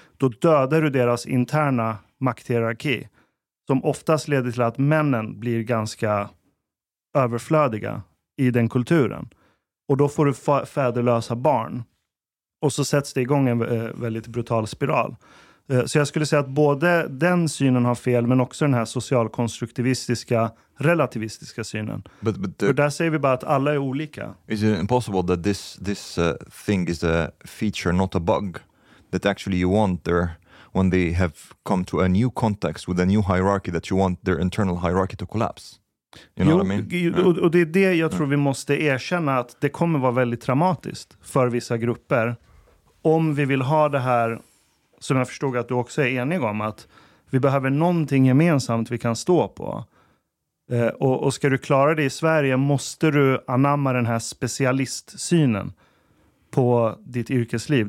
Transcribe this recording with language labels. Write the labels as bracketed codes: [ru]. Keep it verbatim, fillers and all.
[sv] Då dödar du deras interna makthierarki. Som oftast leder till att männen blir ganska överflödiga i den kulturen. Och då får du fa- fäderlösa barn. Och så sätts det igång en väldigt brutal spiral. Så jag skulle säga att både den synen har fel, men också den här socialkonstruktivistiska, relativistiska synen. [en] But, but [sv] the, För där säger vi bara att alla är olika. [en] Is it impossible that this this uh, thing is a feature, not a bug, that actually you want their, when they have come to a new context with a new hierarchy, that you want their internal hierarchy to collapse? You know [sv] jo, [en] what I mean? [sv] ju, och, och det är det jag tror vi måste erkänna, att det kommer vara väldigt traumatiskt för vissa grupper. Om vi vill ha det här. Så jag förstod att du också är enig om att vi behöver någonting gemensamt vi kan stå på. Eh, och, och ska du klara det i Sverige måste du anamma den här specialistsynen på ditt yrkesliv.